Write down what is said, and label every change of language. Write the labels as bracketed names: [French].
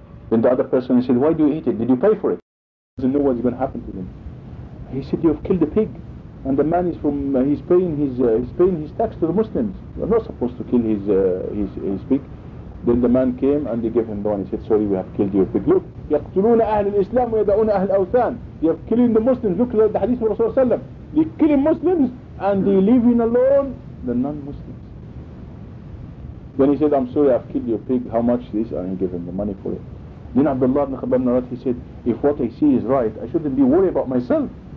[English] Then the other person said, why do you eat it? Did you pay for it? He doesn't know what's going to happen to him. He said, you've killed the pig. And the man is paying his tax to the Muslims. You're not supposed to kill his pig. Then the man came and they gave him one. He said, sorry, we have killed your pig. [Arabic] Look, يَقْتُلُونَ أَهْلِ الْإِسْلَامِ وَيَدَعُونَ أَهْلِ الْأَوْثَانِ. [English] They are killing the Muslims. Look at the hadith of Rasulullah. They're killing Muslims and they're leaving alone the non-Muslims. Then he said, I'm sorry, I've killed your pig. How much is this? And he gave him the money for it. Then Abdullah ibn Khabbab ibn Arat, he said, if what I see is right, I shouldn't be worried about myself.